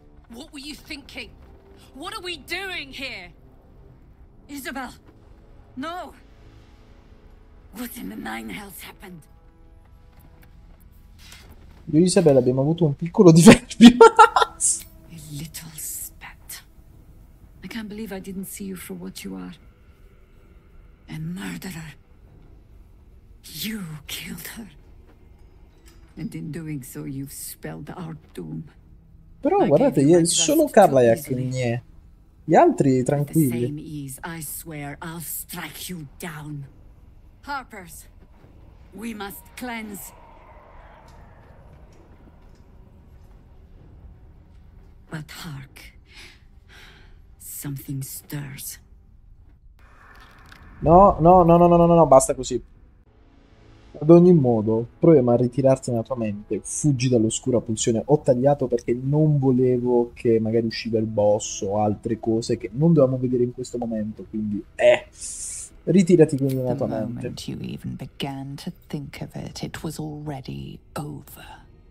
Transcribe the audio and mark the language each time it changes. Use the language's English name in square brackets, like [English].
[English] What were you thinking? What are we doing here? Isabel. No. What in the nine hells happened? [Italian] Io e Isabella abbiamo avuto un piccolo diverbio. [English] A little spat. I can't believe I didn't see you for what you are. A murderer. You killed her. And in doing so you've spelled our doom. [Italian] Però guardate, io sono Carla e Akinie. Gli altri tranquilli. [English] With the same ease, I swear I'll strike you down. Harpers, we must cleanse. But hark, something stirs. [Italian] No, basta così. Ad ogni modo, proviamo a ritirarti nella tua mente. Fuggi dall'oscura pulsione. Ho tagliato perché non volevo che magari usciva il boss o altre cose che non dovevamo vedere in questo momento. Quindi, ritirati quindi nella tua mente. [English] The moment you even began to think of it, it was already over.